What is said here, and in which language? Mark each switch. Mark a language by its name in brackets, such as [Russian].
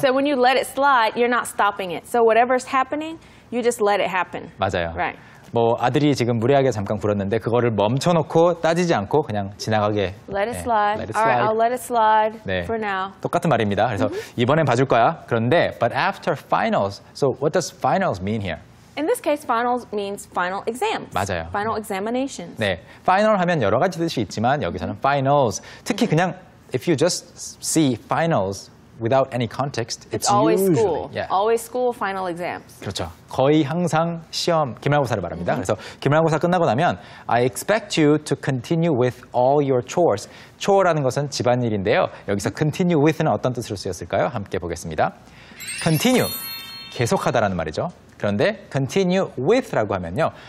[English] So when you let it slide, you're not stopping it. So whatever's happening, you just let it happen. [Korean] 맞아요. [English] Right. [Korean] 뭐 아들이 지금 무례하게 잠깐 굴었는데 그거를 멈춰놓고 따지지 않고 그냥 지나가게 [English] Let it slide. 네, let it slide. All right, I'll let it slide 네. for now. [Korean] 똑같은 말입니다. 그래서 mm-hmm. 이번엔 봐줄 거야. [English] 그런데 but after finals, so what does finals mean here? In this case, finals means final exams. 맞아요. Final examinations. [Korean] 네, final 하면 여러 가지 뜻이 있지만 여기서는 finals. 특히 mm-hmm. [English] 그냥 if you just see finals, without any context, it's always usually. school. Yeah. Always school final exams. [Korean] 그렇죠. 거의 항상 시험, 기말고사를 말합니다. [English] Mm-hmm. [Korean] 그래서 기말고사 끝나고 나면 [English] I expect you to continue with all your chores. [Korean] chore라는 것은 집안일인데요. 여기서 continue with는 어떤 뜻으로 쓰였을까요? 함께 보겠습니다. continue, 계속하다라는 말이죠. 그런데 continue with라고 하면요.